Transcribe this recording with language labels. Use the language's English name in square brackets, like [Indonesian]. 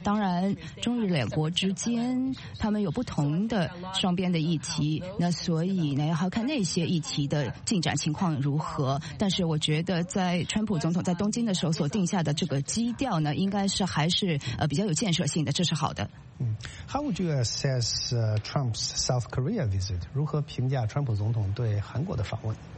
[Chinese] 当然中日两国之间他们有不同的双边的议题，那所以呢要看那些议题的进展情况如何，但是我觉得在川普总统在东京的时候所定下的这个基调呢应该是还是比较有建设性的，这是好的。 [English] How would you assess Trump's South Korea visit? [Chinese] 如何评价川普总统对韩国的访问？